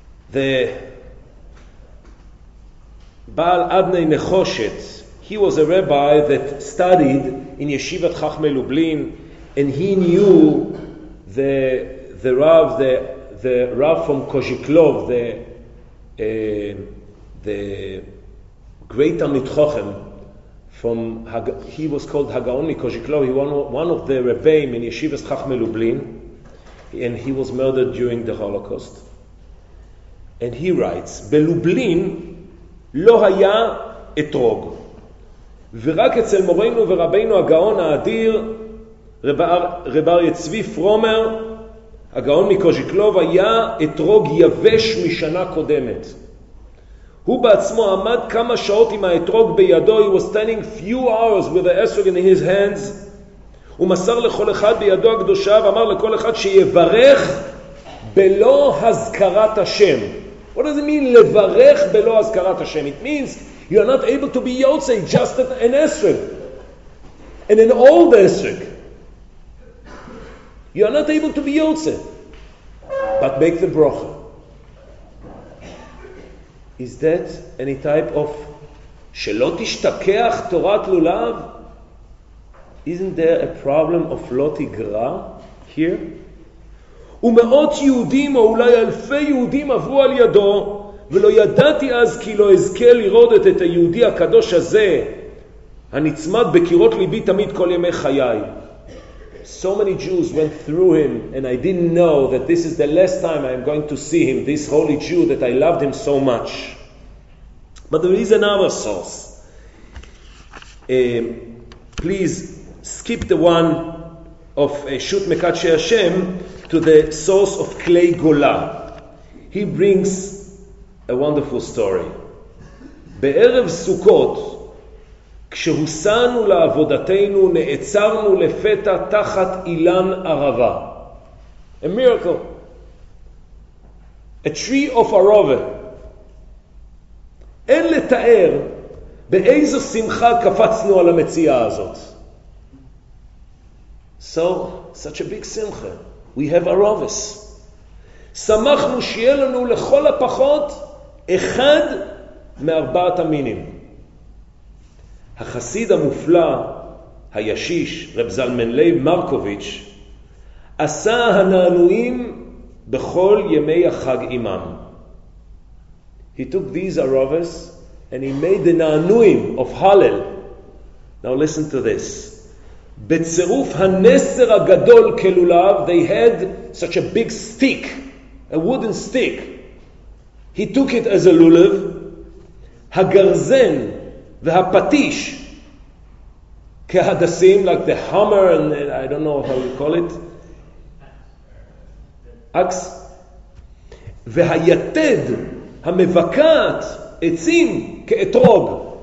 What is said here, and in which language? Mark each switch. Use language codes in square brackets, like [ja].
[en] The Baal Adnei Nechoshet, he was a rabbi that studied in Yeshivat Chachmei Lublin, and he knew the Rav from Kozhiklov, the great Amid Chochem from, he was called Hagaon Mikozhiklov, he was one of the rabbis in Yeshivat Chachmei Lublin, and he was murdered during the Holocaust. And he writes, [he] Belublin לא היה אתרוג, ורק אצל מורנו ורבינו הגאון האדיר רב אריה צבי פרומר, הגאון מקוז'יקלוב, היה אתרוג יבש משנה קודמת. הוא בעצמו עמד כמה שעות עם האתרוג בידו. [en] He was standing few hours with the estrog in his hands. [he] הוא מסר לכל אחד בידו הקדושה ואמר לכל אחד שיברך בלא הזכרת השם. [en] What does it mean, [he] לברך בלא הזכרת השם? [en] It means you are not able to be yotzei, just an estrog. And an old estrog. You are not able to be yotzei. But make the bracha. Is that any type of [he] שלא תשתקח תורת לולב? [en] Isn't there a problem of [he] לא תגרה [en] here? [he] ומאות יהודים או אולי אלפי יהודים עברו על ידו, ולא ידעתי אז כי לא אזכה לראות את היהודי הקדוש הזה הנצמד בקירות ליבי תמיד כל ימי חיי. [en] So many Jews went through him and I didn't know that this is the last time I am going to see him, this holy Jew that I loved him so much. But there is another source. Please skip the one of Shut Mekadshei Hashem to the source of Klei Gola. He brings a wonderful story. [he] Be'erev Sukkot, כשהוסענו לעבודתנו, נעצרנו לפתע תחת אילן ערבה. [en] A miracle. A tree of ערבה. [he] אין לתאר באיזו שמחה קפצנו על המציאה הזאת. [en] So, such a big simcha. We have ערבה. [he] שמחנו שיהיה לנו לכל הפחות אחד מארבעת המינים. החסיד המופלא, הישיש, רב זלמן לייב מרקוביץ', עשה הנענועים בכל ימי החג עמם. [en] He took these arovas and he made the נענועים of הלל. Now listen to this. [he] בצירוף הנסר הגדול כלולב, [en] they had such a big stick, a wooden stick. He took it as a lulav. [he] הגרזן והפטיש, כהדסים, [en] like the hammer and I don't know how you call it, אקס, [he] והיתד המבקעת עצים כאתרוג.